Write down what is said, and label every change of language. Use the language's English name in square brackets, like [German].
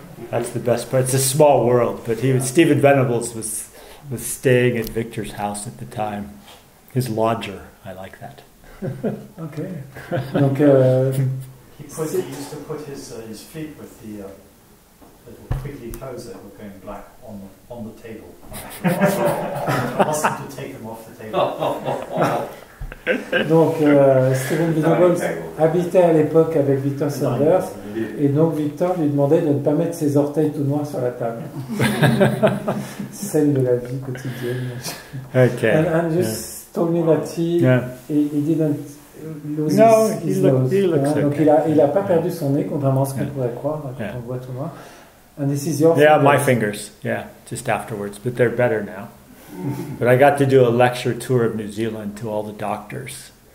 [English] that's the best part. It's a small world, but Stephen Venables was staying at Victor's house at the time. His lodger, I like that. [French] OK. Donc [English] he used to put his feet with the little prickly toes that were going black on the table. Wasn't to take them off the table. [French] Donc Steven Biddlebones habitait à l'époque avec Victor Saunders et donc Victor lui demandait de ne pas mettre ses orteils tout noirs sur la table. Scène de la vie quotidienne. [English] Okay. And just told me that he didn't lose his nose. Okay. [French] Donc il a pas perdu son nez contrairement à ce qu'on pourrait croire quand on voit tout noir. [English] And this is your fingers. My fingers. Yeah, just afterwards, but they're better now. But I got to do a lecture tour of New Zealand to all the doctors.